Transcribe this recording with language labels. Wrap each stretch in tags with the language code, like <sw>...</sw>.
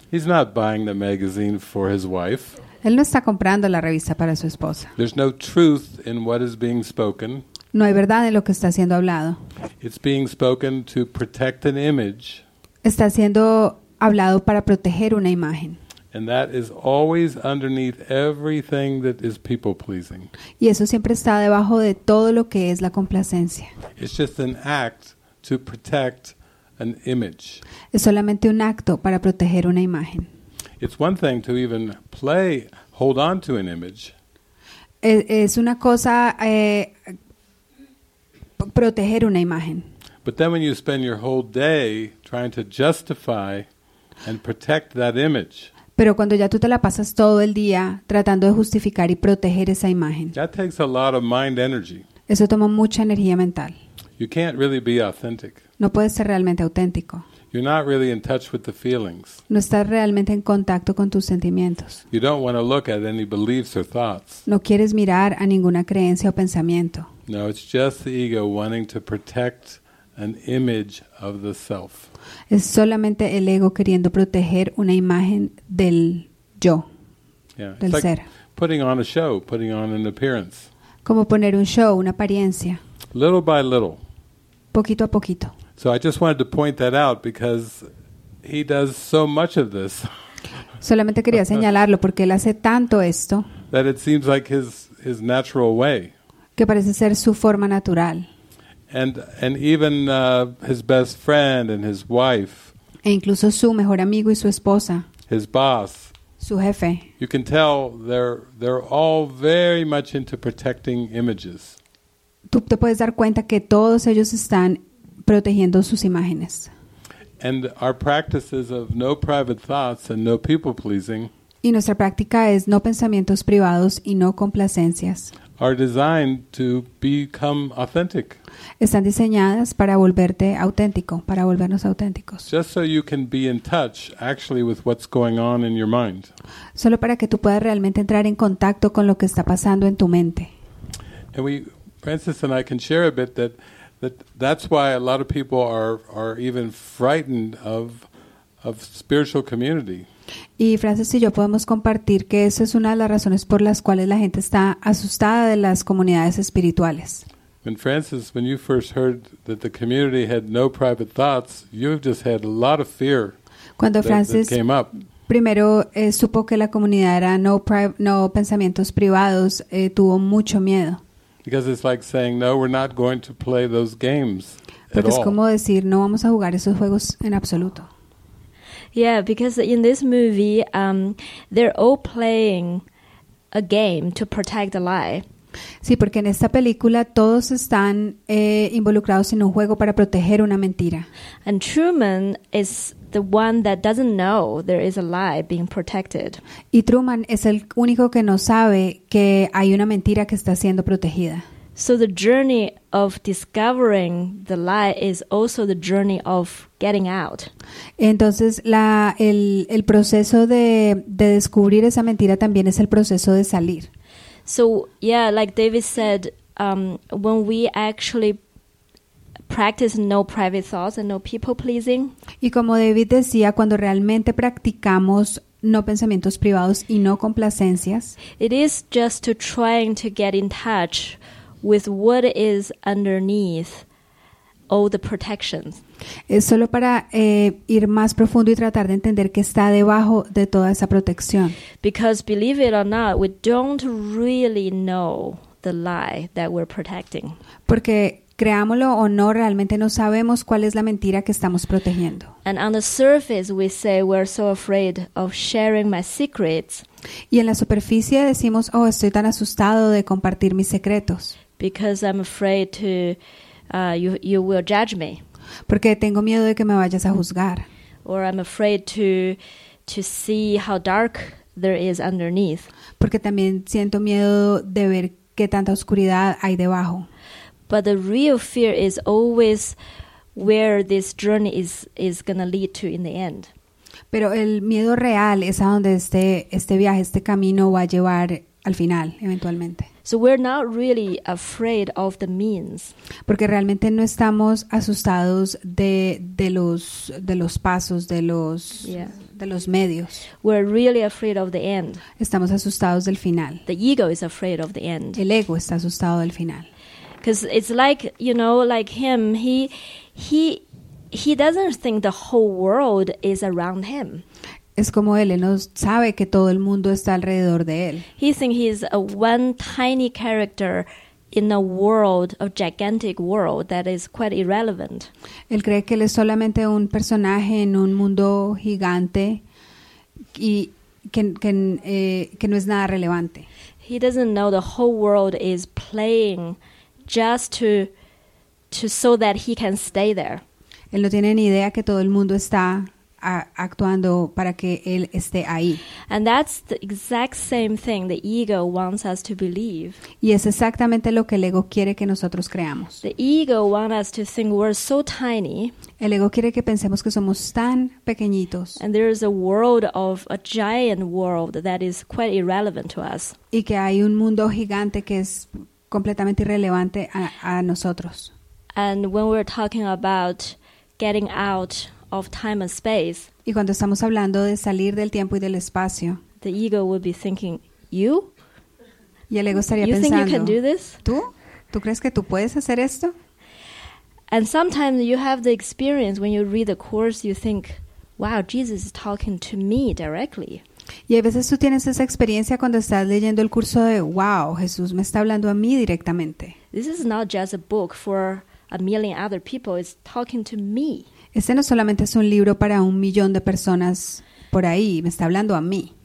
<en>He's not buying the magazine for his wife.</en> <es>Él no está comprando la revista para su esposa.</es> <en>There's no truth in what is being spoken.</en> <es>No hay verdad en lo que está siendo hablado.</es> <en>It's being spoken to protect an image.</en> <es>Está siendo hablado para proteger una imagen.</es> <en>And that is always underneath everything that is people pleasing.</en> <es>Y eso siempre está debajo de todo lo que es la complacencia.</es> <en>It's just an act to protect an image.</en> <es>Es solamente un acto para proteger una imagen.</es> <en>It's one thing to even play, hold on to an image.</en> <es>Es una cosa proteger una imagen.</es> <en>But then when you spend your whole day trying to justify and protect that image.</en> <es>Pero cuando ya tú te la pasas todo el día tratando de justificar y proteger esa imagen.</es> <en>That takes a lot of mind energy.</en> <es>Eso toma mucha energía mental.</es> <en>You can't really be authentic.</en> <es>No puedes ser realmente auténtico.</es> <en>You're not really in touch with the feelings.</en> <es>No estás realmente en contacto con tus sentimientos.</es> <en>You don't want to look at any beliefs or thoughts.</en> <es>No quieres mirar a ninguna creencia o pensamiento.</es> <en>No, it's just the ego wanting to protect an image of the self.</en> <es>Es solamente el ego queriendo proteger una imagen del yo.</es> <en>Yeah,</en> <es>del</es> <en>it's</en> <es>ser.</es> <en>Like putting on a show, putting on an appearance.</en> <es>Como poner un show, una apariencia.</es> <en>Little by little.</en> <es>Poquito a poquito.</es> <en>So I just wanted to point that out because he does so much of this.</en> <es>Solamente quería señalarlo porque él hace tanto esto.</es> <en>That it seems like his natural way.</en> <es>Que parece ser su forma natural.</es> <en>And even his best friend and his wife.</en> <es>E incluso su mejor amigo y su esposa.</es> <en>His boss.</en> <es>Su jefe.</es> <en>You can tell they're all very much into protecting images.</en> <es>Tú te puedes dar cuenta que todos ellos están protegiendo sus imágenes.</es> <en>And our practices of no private thoughts and no people pleasing.</en> <es>Y nuestra práctica es no pensamientos privados y no complacencias.</es> <en>Are designed to become authentic.</en> <es>Están diseñadas para volverte auténtico, para volvernos auténticos.</es> <en>Just so you can be in touch actually with what's going on in your mind.</en> <es>Solo para que tú puedas realmente entrar en contacto con lo que está pasando en tu mente.</es> <en>And we, Francis and I can share a bit that's why a lot of people are even frightened of spiritual community.</en> <es>Y Francis y yo podemos compartir que esa es una de las razones por las cuales la gente está asustada de las comunidades espirituales.</es> <en>When Francis, when you first heard that the community had no private thoughts, you've just had a lot of fear.</en> <es>Cuando</es> <en>Francis that came up.</en> <es>Primero supo que la comunidad era no pensamientos privados, tuvo mucho miedo.</es> <en>Because it's like saying no, we're not going to play those games at all.</en> <es>Es como decir no vamos a jugar esos juegos en absoluto.</es> <en>Yeah, because in this movie, they're all playing a game to protect the lie.</en> <es>Sí, porque en esta película todos están involucrados en un juego para proteger una mentira.</es> <en>And Truman is the one that doesn't know there is a lie being protected.</en> <es>Y Truman es el único que no sabe que hay una mentira que está siendo protegida.</es> <en>So the journey of discovering the lie is also the journey of getting out.</en> <es>Entonces el proceso de descubrir esa mentira también es el proceso de salir.</es> <en>So yeah, like David said, when we actually practice no private thoughts and no people pleasing.</en> <es>Y como David decía, cuando realmente practicamos no pensamientos privados y no complacencias.</es> <en>It is just to trying to get in touch with what is underneath all the protections.</en> <es>Es solo para ir más profundo y tratar de entender qué está debajo de toda esa protección.</es> <en>Because believe it or not, we don't really know the lie that we're protecting.</en> <es>Porque creámoslo o no, realmente no sabemos cuál es la mentira que estamos protegiendo.</es> <en>And on the surface we say we're so afraid of sharing my secrets.</en> <es>Y en la superficie decimos, oh, estoy tan asustado de compartir mis secretos.</es> <en>Because I'm afraid to you will judge me.</en> <es>Porque tengo miedo de que me vayas a juzgar.</es> <en>Or I'm afraid to see how dark there is underneath.</en> <es>Porque también siento miedo de ver qué tanta oscuridad hay debajo.</es> <en>But the real fear is always where this journey is going to lead to in the end.</en> <es>Pero el miedo real es a donde este viaje, este camino va a llevar al final, eventualmente.</es> <en>So we're not really afraid of the means.</en> <es>Porque realmente no estamos asustados de los pasos, de los medios.</es> <en>We're really afraid of the end.</en> <es>Estamos asustados del final.</es> <en>The ego is afraid of the end.</en> <es>El ego está asustado del final.</es> <en>Because it's like, you know, like him, he doesn't think the whole world is around him.</en> <es>Es como él, no sabe que todo el mundo está alrededor de él.</es> <en>He thinks he's a one tiny character in a world, a gigantic world that is quite irrelevant.</en> <es>Él cree que él es solamente un personaje en un mundo gigante y que no es nada relevante.</es> <en>He doesn't know the whole world is playing just to so that he can stay there.</en> <es>Él no tiene ni idea que todo el mundo está actuando para que él esté ahí.</es> <en>And that's the exact same thing the ego wants us to believe.</en> <es>Y es exactamente lo que el ego quiere que nosotros creamos.</es> <en>The ego wants us to think we're so tiny.</en> <es>El ego quiere que pensemos que somos tan pequeñitos.</es> <en>And there is a world of a giant world that is quite irrelevant to us.</en> <es>Y que hay un mundo gigante que es completamente irrelevante a nosotros.</es> <en>And when we're talking about getting out of time and space,</en> <es>y cuando estamos hablando de salir del tiempo y del espacio,</es> <en>the ego would be thinking, you?</en> <es>Y el ego estaría pensando,</es> <en>you think you can do this?</en> <es>¿Tú crees que tú puedes hacer esto?</es> <en>And sometimes you have the experience when you read the course, you think, wow, Jesus is talking to me directly.</en> <es>Y a veces tú tienes esa experiencia cuando estás leyendo el curso de, wow, Jesús me está hablando a mí directamente.</es> <en>This is not just a book for a million other people, it's talking to me.</en> <es>Este no solamente es un libro para un millón de personas por ahí, me está hablando a mí.</es>